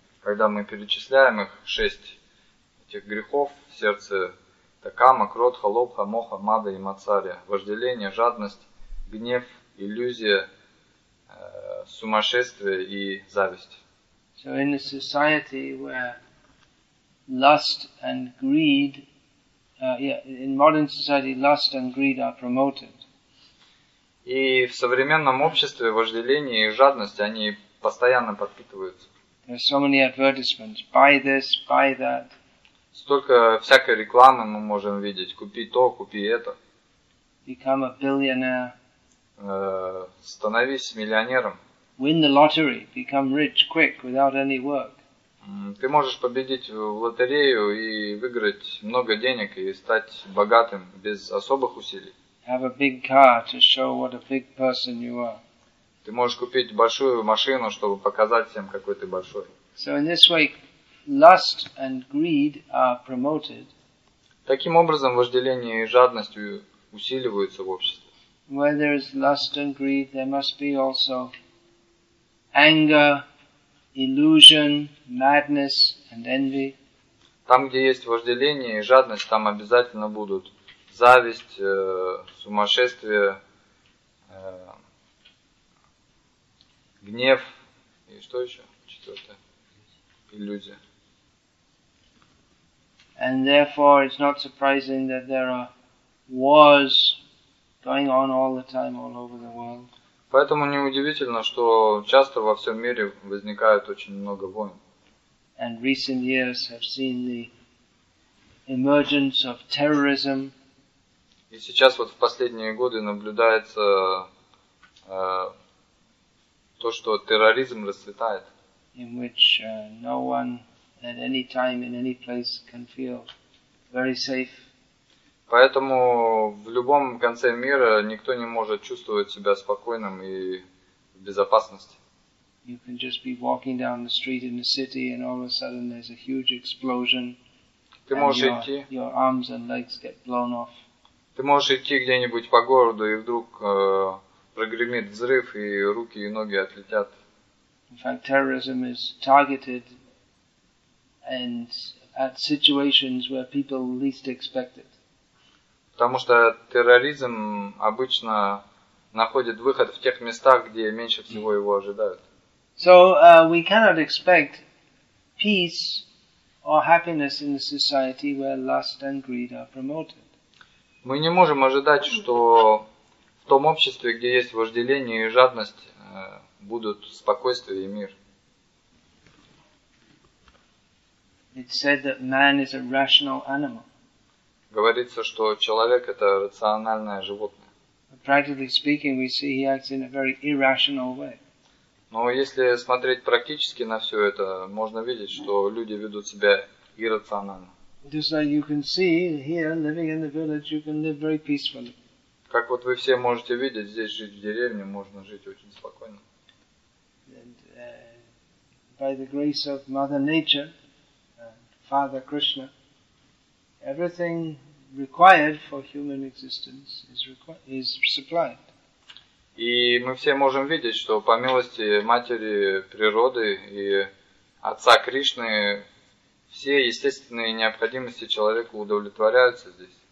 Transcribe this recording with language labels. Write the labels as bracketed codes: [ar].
[ru] Когда мы перечисляем их, шесть этих грехов в сердце, это кама, кродха, лобха, моха, мада и мацария, вожделение, жадность, гнев, иллюзия, сумасшествие и зависть. [en] So in a society where lust and greed, in modern society lust and greed are promoted. [ru] И в современном обществе вожделение и жадность, они постоянно подпитываются. [en] There are so many advertisements. Buy this, buy that. [ru] Столько всякой рекламы мы можем видеть. Купи то, купи это. [en] Become a billionaire. [ru] Становись миллионером. [en] Win the lottery. Become rich quick without any work. [ru] Ты можешь победить в лотерею и выиграть много денег и стать богатым без особых усилий. [en] Have a big car to show what a big person you are. [ru] Ты можешь купить большую машину, чтобы показать всем, какой ты большой. [en] So in this way, lust and greed are promoted. [ru] Таким образом, вожделение и жадность усиливаются в обществе. [en] Where there is lust and greed, there must be also anger, illusion, madness and envy. [ru] Там, где есть вожделение и жадность, там обязательно будут зависть, сумасшествие, гнев. И что еще? Четвертое. Иллюзия. [en] And therefore it's not surprising that there are wars going on all the time all over the world. [ru] Поэтому неудивительно, что часто во всем мире возникает очень много войн. [en] And recent years have seen the emergence of terrorism. [ru] И сейчас вот в последние годы наблюдается то, что терроризм расцветает. [en] In which no one at any time in any place can feel very safe. [ru] Поэтому в любом конце мира никто не может чувствовать себя спокойным и в безопасности. [en] You can just be walking down the street in the city and all of a sudden there's a huge explosion. [ru] Ты можешь идти. [en] Your arms and legs get blown off. [ru] Ты можешь идти где-нибудь по городу, и вдруг прогремит взрыв, и руки и ноги отлетят. [en] In fact, terrorism is targeted and at situations where people least expect it. [ru] Потому что терроризм обычно находит выход в тех местах, где меньше всего его ожидают. [en] So we cannot expect peace or happiness in a society where lust and greed are promoted. [ru] Мы не можем ожидать, что в том обществе, где есть вожделение и жадность, будут спокойствие и мир. [en] It's said that man is a rational animal. [ru] Говорится, что человек это рациональное животное. [en] But practically speaking, we see he acts in a very irrational way. [ru] Но если смотреть практически на все это, можно видеть, что люди ведут себя иррационально. [en] Just like you can see here, living in the village, you can live very peacefully. [ru] Как вот вы все можете видеть, здесь жить в деревне можно жить очень спокойно. [en] And by the grace of Mother Nature, Father Krishna, everything required for human existence is supplied. [ru] И мы все можем видеть, что по милости Матери Природы и Отца Кришны все естественные необходимости человека удовлетворяются здесь.